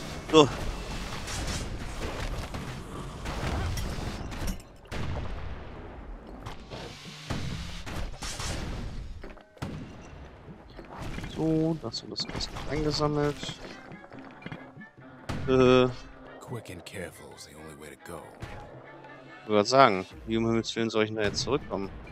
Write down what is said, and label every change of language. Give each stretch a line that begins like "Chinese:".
German: So. So, das ist noch eingesammelt.
English: Quick and careful is the only way to go.
German: Ich würde sagen, wie um Himmels Willen soll ich denn da jetzt zurückkommen?